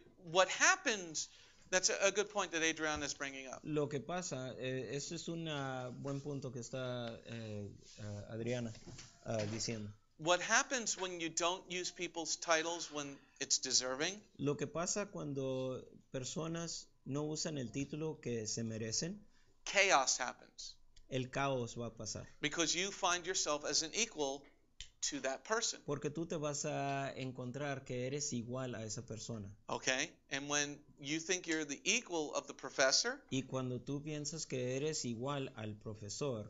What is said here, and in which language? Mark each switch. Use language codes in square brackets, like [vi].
[en] What happens, that's a good point that Adrian is bringing up. [es] Lo que pasa, esto es un buen punto que está Adriana diciendo. [en] What happens when you don't use people's titles when it's deserving? [es] Lo que pasa cuando personas no usan el título que se merecen. [en] Chaos happens. [es] El caos va a pasar. [en] Because you find yourself as an equal to that person. [es] Porque tú te vas a encontrar que eres igual a esa persona. [en] Okay. And when you think you're the equal of the professor. [es] Y cuando tú piensas que eres igual al profesor.